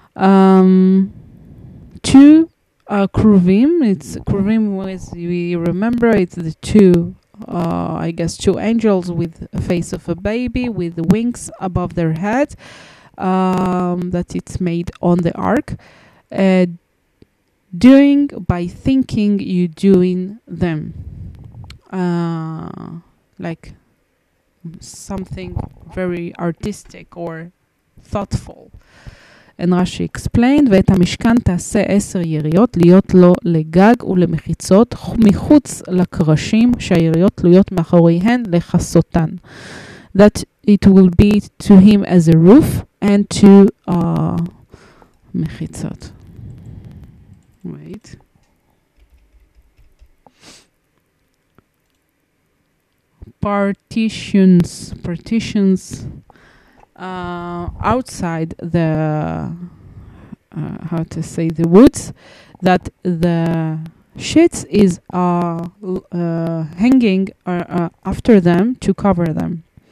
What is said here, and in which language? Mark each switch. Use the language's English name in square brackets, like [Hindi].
[English] 2 kruvim, it's kruvim, as we remember, it's the 2 I guess 2 angels with the face of a baby with the wings above their head, that it's made on the ark, doing by thinking you doing them, like something very artistic or thoughtful. And Rashi explained, [Hebrew] ואת המשכן תעשה 10 יריות, להיות לו לגג ולמחיצות, מחוץ לקרשים, שהיריות תלויות מאחוריהן לחסותן. [English] That it will be to him as a roof and to מחיצות. Wait. Partitions. Outside the how to say the woods that the sheets is hanging after them to cover them.